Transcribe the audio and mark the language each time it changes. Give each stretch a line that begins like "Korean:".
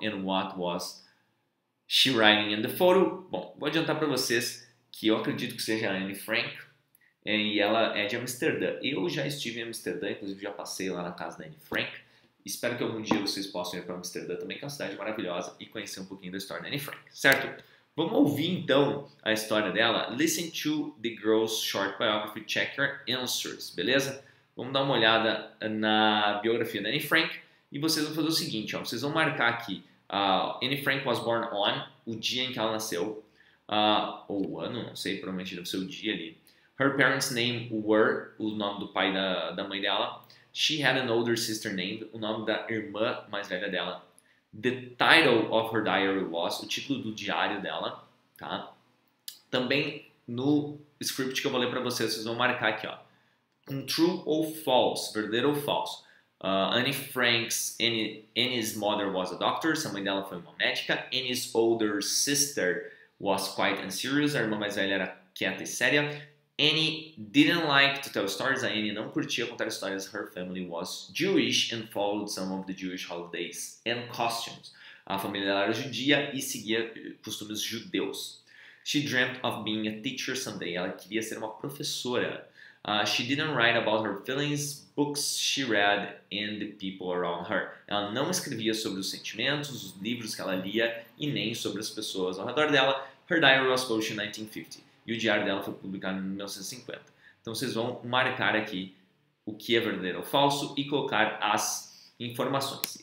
English: And what was she writing in the photo?
Portuguese: Bom, vou adiantar para vocês que eu acredito que seja a Anne Frank. E ela é de Amsterdã. Eu já estive em Amsterdã, inclusive já passei lá na casa da Anne Frank. Espero que algum dia vocês possam ir para Amsterdã também, que é uma cidade maravilhosa, e conhecer um pouquinho da história da Anne Frank, certo? Vamos ouvir então a história dela.
English: Listen to the girl's short biography, check your answers, beleza?
Portuguese: Vamos dar uma olhada na biografia da Anne Frank. E vocês vão fazer o seguinte, ó, vocês vão marcar aqui
English: Anne Frank was born on,
Portuguese: o dia em que ela nasceu, ou o ano, não sei, provavelmente deve ser o dia ali.
English: Her parents' name were,
Portuguese: o nome do pai da mãe dela.
English: She had an older sister named,
Portuguese: o nome da irmã mais velha dela.
English: The title of her diary was,
Portuguese: o título do diário dela, tá? Também no script que eu vou ler pra vocês, vocês vão marcar aqui, ó. Um true ou false, verdadeiro ou falso.
English: Annie's mother was a doctor,
Portuguese: a mãe dela foi uma médica.
English: Annie's older sister was quiet and serious,
Portuguese: a irmã mais velha era quieta e séria.
English: Annie didn't like to tell stories,
Portuguese: a Annie não curtia contar histórias.
English: Her family was Jewish and followed some of the Jewish holidays and costumes.
Portuguese: A família dela era judia e seguia costumes judeus.
English: She dreamt of being a teacher someday,
Portuguese: ela queria ser uma professora.
English: She didn't write about her feelings, books she read, and the people around her.
Portuguese: Ela não escrevia sobre os sentimentos, os livros que ela lia, e nem sobre as pessoas ao redor dela.
English: Her diary was published in 1950.
Portuguese: E o diário dela foi publicado em 1950. Então, vocês vão marcar aqui o que é verdadeiro ou falso e colocar as informações.